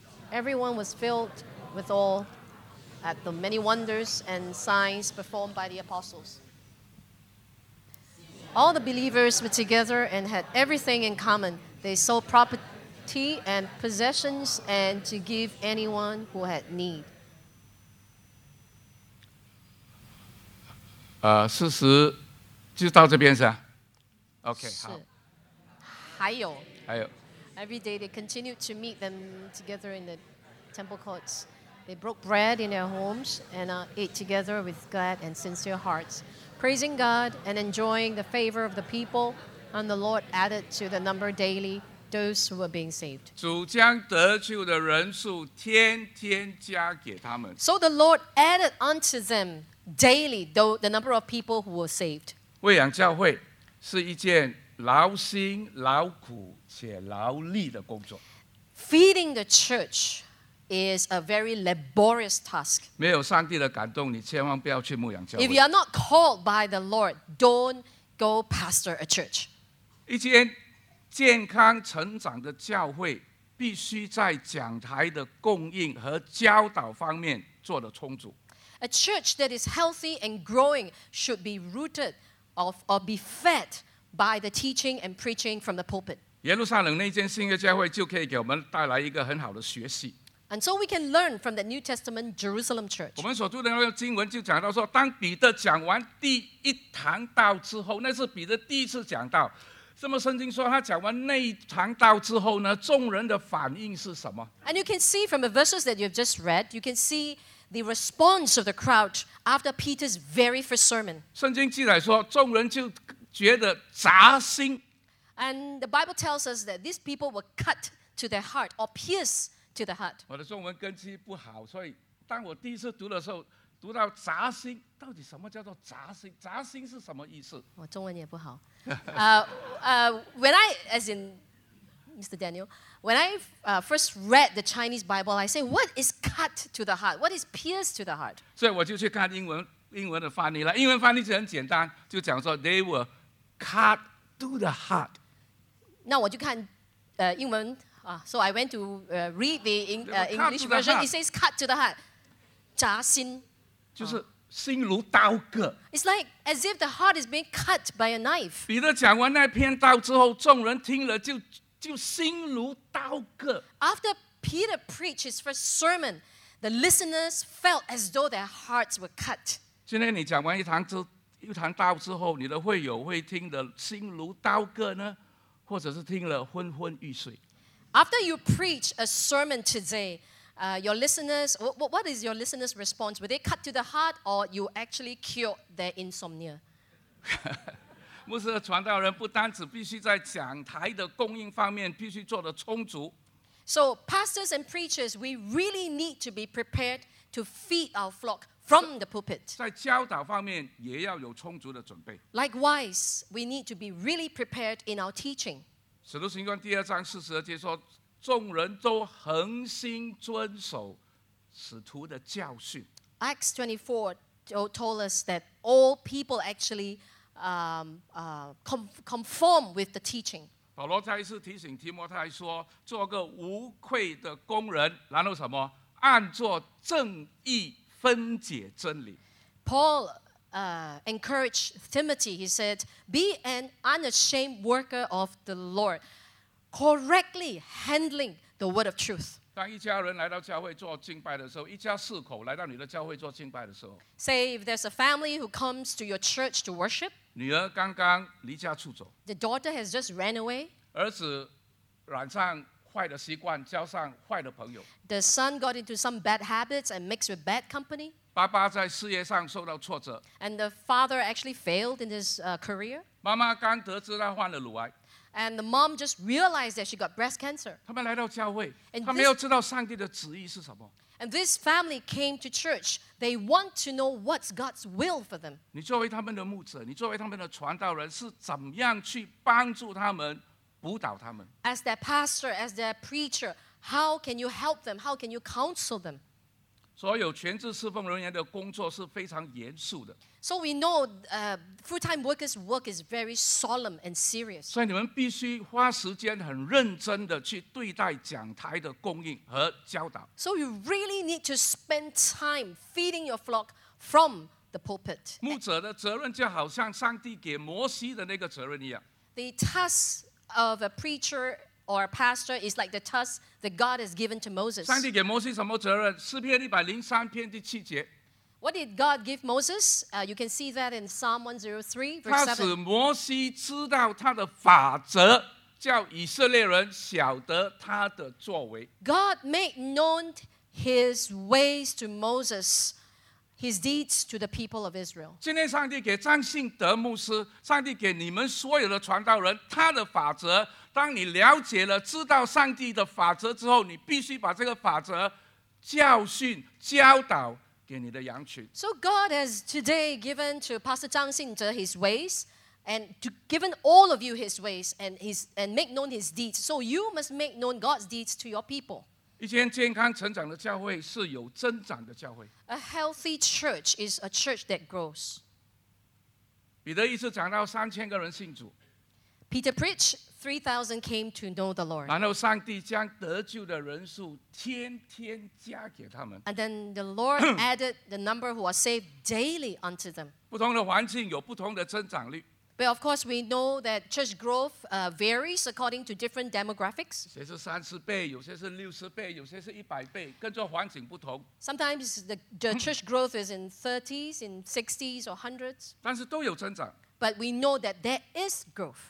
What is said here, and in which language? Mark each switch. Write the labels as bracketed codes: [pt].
[en] Everyone was filled with awe at the many wonders and signs performed by the apostles. All the believers were together and had everything in common. They sold property and possessions and to give anyone who had need. [zh] 事实就到这边是啊 ，OK 是好。还有。 [en] Every day they continued to meet them together in the temple courts. They broke bread in their homes and ate together with glad and sincere hearts, praising God and enjoying the favor of the people. And the Lord added to the number daily those who were being saved. [zh] 主将得救的人数天天加给他们。 [en] So the Lord added unto them. Daily, though the number of people who were saved. [zh] 喂养教会是一件劳心劳苦且劳力的工作。 [en] Feeding the church is a very laborious task. [zh] 没有上帝的感动，你千万不要去牧养教会。 [en] If you are not called by the Lord, don't go pastor a church. [zh] 一间健康成长的教会必须在讲台的供应和教导方面做得充足。 [en] A church that is healthy and growing should be rooted of or be fed by the teaching and preaching from the pulpit. [zh] 耶路撒冷那间新约教会就可以给我们带来一个很好的学习。 [en] And so we can learn from the New Testament Jerusalem church. [zh] 我们所读的那个经文就讲到说，当彼得讲完第一堂道之后，那是彼得第一次讲道。那么圣经说他讲完那一堂道之后呢，众人的反应是什么 [en] ？And you can see from the verses that you have just read, you can see. The response of the crowd after Peter's very first sermon. [zh] 圣经记载说，众人就觉得扎心。 [en] And the Bible tells us that these people were cut to their heart or pierced to the heart. [zh] 我的中文根基不好，所以当我第一次读的时候，读到扎心，到底什么叫做扎心？扎心是什么意思？我中文也不好。 [en] when I, as in Mr. Daniel, when I first read the Chinese Bible, I say, what is cut to the heart? What is pierced to the heart? [zh] 所以我就去看英文的翻译了。英文翻译就很简单，就讲说 [en] they were cut to the heart. [zh] 那我就看英文 [en] so I went to read the English version. It says cut to the heart. [zh] 扎心。就是心如刀割。 [en] It's like as if the heart is being cut by a knife. [zh] 彼得讲完那篇道之后，众人听了就心如刀割。 [en] After Peter preached his first sermon, the listeners felt as though their hearts were cut. [zh] 今天你讲完一堂道之后，你的会友会听得心如刀割呢，或者是听了昏昏欲睡？ [en] After you preach a sermon today,your listeners, what is your listeners' response? Were they cut to the heart, or you actually cured their insomnia? [zh] 牧师的传道人不单只必须在讲台的供应方面必须做得充足。 [en] So pastors and preachers, we really need to be prepared to feed our flock from the pulpit. [zh] 在教导方面也要有充足的准备。 [en] Likewise, we need to be really prepared in our teaching. [zh] 使徒行传第二章四十二节说。众人都恒心遵守使徒的教训。 [en] Acts 24 told us that all people actually conform with the teaching. [zh] 保罗再一次提醒提摩太说，做个无愧的工人，然后什么？按着正义分解真理。 [en] Paul encouraged Timothy. He said, "Be an unashamed worker of the Lord." Correctly handling the word of truth. [zh] 当一家人来到教会做敬拜的时候，一家四口来到你的教会做敬拜的时候 [en] ，Say if there's a family who comes to your church to worship. [zh] 女儿刚刚离家出走 [en] ，The daughter has just ran away. [zh] 儿子染上坏的习惯，交上坏的朋友 [en] ，The son got into some bad habits and mixed with bad company. [zh] 爸爸在事业上受到挫折 [en] ，And the father actually failed in his career. [zh] 妈妈刚得知他患了乳癌。 [en] And the mom just realized that she got breast cancer. [zh] 他们来到教会，他没有知道上帝的旨意是什么。 [en] And this family came to church. They want to know what's God's will for them. [zh] 你作为他们的牧者，你作为他们的传道人，是怎样去帮助他们，辅导他们 [en] ？As their pastor, as their preacher, how can you help them? How can you counsel them? [zh] 所有全职侍奉人员的工作是非常严肃的。 [en] So we know full-time workers' work is very solemn and serious. [zh] 所以你们必须花时间很认真地去对待讲台的供应和教导。 [en] So you really need to spend time feeding your flock from the pulpit. [zh] 牧者的责任就好像上帝给摩西的那个责任一样。 [en] The task of a preacher or a pastor is like the task that God has given to Moses. [zh] 上帝给摩西什么责任？诗篇103篇第七节。 [en] What did God give Moses? You can see that in Psalm 103, verse 7. [zh] 他使摩西知道他的法则，叫以色列人晓得他的作为。 [en] God made known his ways to Moses, his deeds to the people of Israel. [zh] 今天上帝给张信德牧师，上帝给你们所有的传道人他的法则。当你了解了知道上帝的法则之后，你必须把这个法则教训教导。 [en] So God has today given to Pastor Zhang Xinze his ways and to given all of you his ways and his and make known his deeds. So you must make known God's deeds to your people. [zh] 一间健康成长的教会是有增长的教会。 [en] A healthy church is a church that grows. [zh] 彼得一次讲到三千个人信主。 [en] Peter preached, 3,000 came to know the Lord. [zh] 然后上帝将得救的人数天天加给他们。 [en] And then the Lord added the number who are saved daily unto them. [zh] 不同的环境有不同的增长率。 [en] But of course we know that church growth varies according to different demographics. [zh] 谁是三十倍，有些是六十倍，有些是一百倍，跟着环境不同。 [en] Sometimes the church growth is in 30s, in 60s or 100s. [zh] 但是都有增长。 [en] But we know that there is growth.